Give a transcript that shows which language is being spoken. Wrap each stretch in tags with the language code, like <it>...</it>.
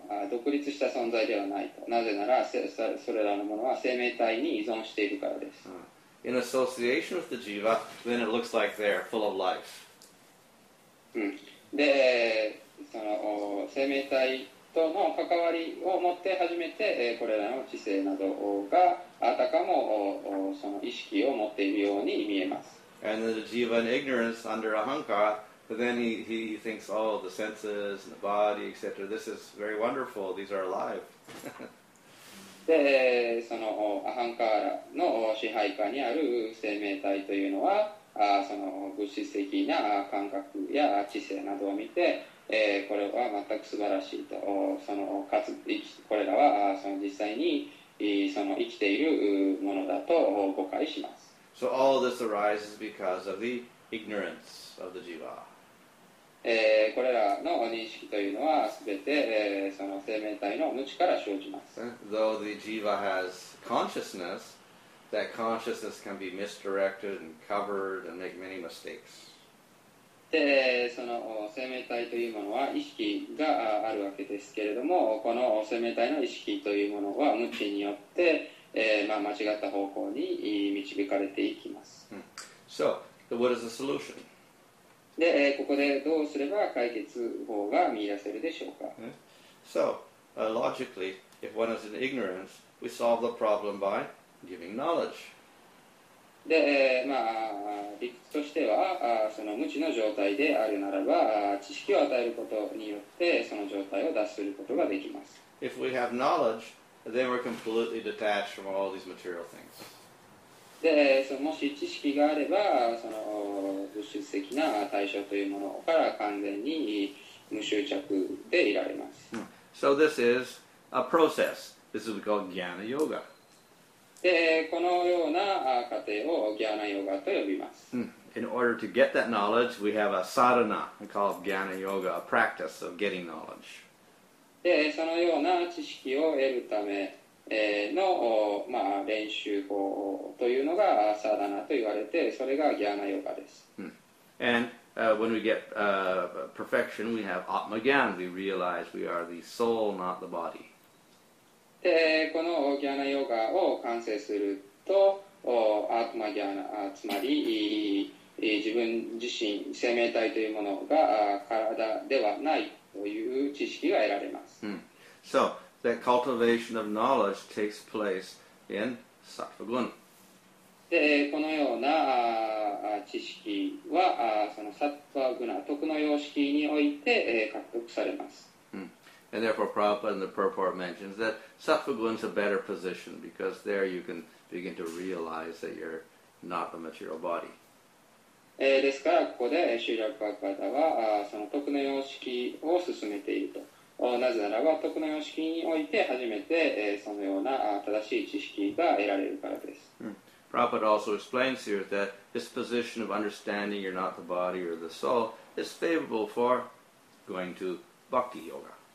<ja>独立した存在ではないと。なぜなら、それらのものは生命体に依存しているからです。</ja> <en>In association with the jiva, then it looks like they're full of life.</en> <ja>で、その生命体との関わりを持って初めて、これらの知性などがあたかもその意識を持っているように見えます。</ja> <en>And the jiva in ignorance under ahankara, but then he thinks, oh, the senses and the body, etc. This is very wonderful. These are alive.</en> <ja>で、そのアハンカーラの支配下にある生命体というのは、その物質的な感覚や知性などを見て、これは全く素晴らしいと、そのかつこれらはその実際にその生きているものだと誤解します。</ja> <en>So all this arises because of the ignorance of the jiva.</en> <ja>これらの認識というのは全て、その生命体の無知から生じます。</ja> <en>Though the jiva has consciousness, that consciousness can be misdirected and covered and make many mistakes.</en> <ja>で、その生命体というものは意識があるわけですけれども、この生命体の意識というものは無知によって、間違った方向に導かれていきます。</ja> <en>So, what is the solution?</en> <ja>で、ここでどうすれば解決法が見出せるでしょうか。</ja> <en>So, logically, if one is in ignorance, we solve the problem by giving knowledge.</en> <ja>で、まあ、理屈としては、その無知の状態であるならば、知識を与えることによって、その状態を脱することができます。</ja> <en>If we have knowledge, then we're completely detached from all these material things.</en> <ja>で、そのもし知識があれば、その物質的な対象というものから完全に無執着でいられます。</ja> <en>So this is a process. This is called Jnana Yoga.</en> <ja>で、このような過程を Jnana Yoga と呼びます。</ja> <en>In order to get that knowledge, we have a sadhana called Jnana Yoga, a practice of getting knowledge.</en> <ja>で、そのような知識を得るため、の、まあ、練習法というのがサーダナと言われて、それがギャーナヨガです。</ja> <en>And when we get perfection, we have Atma Gyan. We realize we are the soul, not the body.</en> <ja>で、このギャーナヨガを完成すると、アトマギャーナ、つまり自分自身、生命体というものが体ではないという知識が得られます。</ja> <en>So,that cultivation of knowledge takes place in sattva-guna.</en> <ja>で、このような知識はそのsattva-guna、徳の様式において獲得されます。</ja> <en>And therefore, Prabhupada in the purport mentions that sattva-guna is a better position because there you can begin to realize that you're not the material body.</en> <ja>ですから、ここで修学パーパーダはその徳の様式を進めていると。なぜならば、徳の様式において初めて、そのような正しい知識が得られるからです。</ja> <en>Prabhupada also explains here that this position of understanding you're not the body or the soul is favorable for going to bhakti yoga.</en>